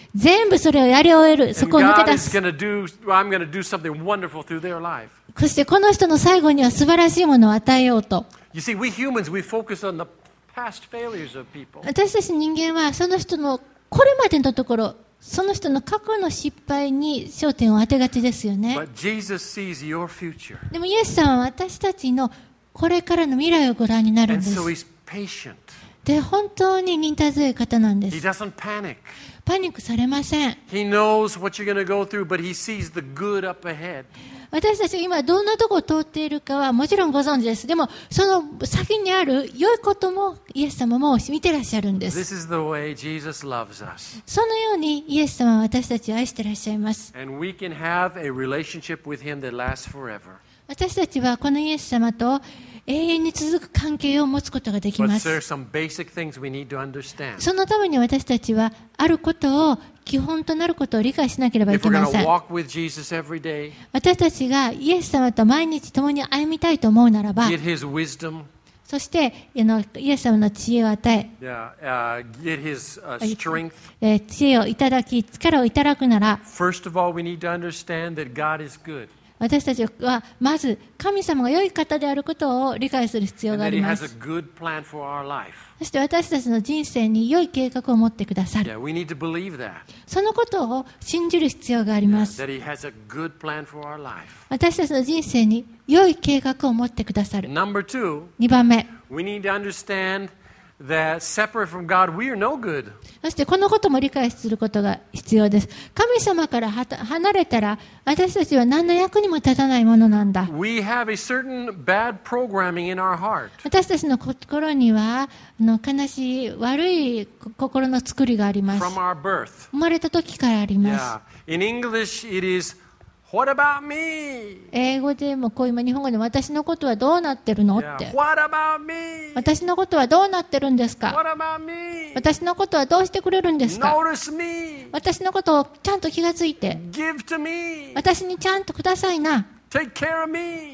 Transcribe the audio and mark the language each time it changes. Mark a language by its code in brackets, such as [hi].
[ja] 全部それをやり終える、そこを抜け出す。 [en] And God is gonna do, I'm gonna do something wonderful through their life. [ja] そしてこの人の最後には素晴らしいものを与えようと。 [en] You see, we humans, we focus on the past failures of people. [ja] 私たち人間はその人のこれまでのところ、その人の過去の失敗に焦点を当てがちですよね。 [en] But Jesus sees your future. [ja] でもイエスさんは私たちのこれからの未来をご覧になるんです。 [en] And so he's patient. [ja] で本当に忍耐強い方なんです。 [en] He doesn't panic. [ja] パニックされません。 [en] He knows what you're going to go through, but he sees the good up ahead. [ja] 私たちが今どんなところを通っているかはもちろんご存知です。でもその先にある良いこともイエス様も見てらっしゃるんです。 [en] This is the way Jesus loves us. [ja] そのようにイエス様は私たちを愛してらっしゃいます。 [en] And we can have a relationship with him that lasts forever. [ja] 私たちはこのイエス様と永遠に続く関係を持つことができます。 [en] But there are some basic things we need to understand. [ja] そのために私たちはあることを基本となることを理解しなければいけません。 [en] If we're gonna walk with Jesus every day, [ja] 私たちがイエス様と毎日共に歩みたいと思うならば、 [en] Get his wisdom, [ja] そしてイエス様の知恵を与え、 [en] Get his strength, [ja] 知恵をいただき力をいただくなら、 [en] First of all, we need to understand that God is good. [ja] 私たちはまず神様が良い方であることを理解する必要があります。そして私たちの人生に良い計画を持ってくださる。そのことを信じる必要があります。私たちの人生に良い計画を持ってくださる。 2番目。 [en] We need to understand that separate from God, we are no good. [ja] そしてこのことも理解することが必要です。神様から離れたら私たちは何の役にも立たないものなんだ。 [en] We have a certain bad programming in our heart. [ja] 私たちの心には悲しい悪い心の作りがあります。 [en] From our birth. [ja] 生まれた時からあります。 [en] Yeah. In English, it is what about me? [ja] 英語でもこう今日本語で私のことはどうなってるのって。 [en] Yeah. What about me? [ja] 私のことはどうなってるんですか。 [en] What about me? [ja] 私のことはどうしてくれるんですか。 [en] Notice me. [ja] 私のことをちゃんと気がついて。 [en] Give to me. [ja] 私にちゃんとくださいな。 [en] Take care of me.